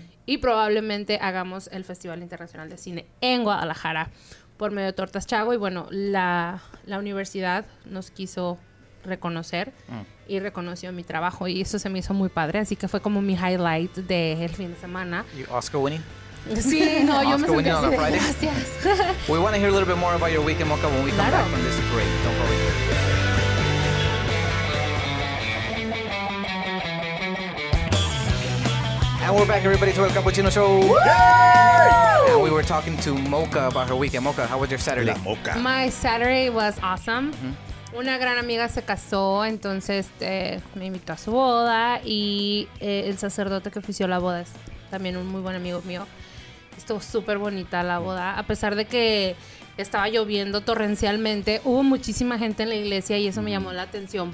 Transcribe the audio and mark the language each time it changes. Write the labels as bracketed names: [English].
[Spanish] Y probablemente hagamos el Festival Internacional de Cine en Guadalajara por medio de Tortas Chago. Y bueno, la universidad nos quiso reconocer y reconoció mi trabajo y eso se me hizo muy padre, así que fue como mi highlight del fin de semana. [English] You Oscar winning? [Spanish] Sí, no, yo [English] Oscar [Spanish] me sentí [English] winning on a Friday. [Spanish] Gracias. [English] We want to hear a little bit more about your week in Mocha when we come back from this break. Don't worry. And we're back, everybody, to El Cappuccino Show. Woo! And we were talking to Mocha about her weekend. Mocha, how was your Saturday? [Spanish] La Mocha. [English] My Saturday was awesome. [Spanish] Una gran amiga se casó, entonces me invitó a su boda. Y el sacerdote que ofició la boda es también un muy buen amigo mío. Estuvo súper bonita la boda. A pesar de que estaba lloviendo torrencialmente, hubo muchísima gente en la iglesia y eso me llamó la atención.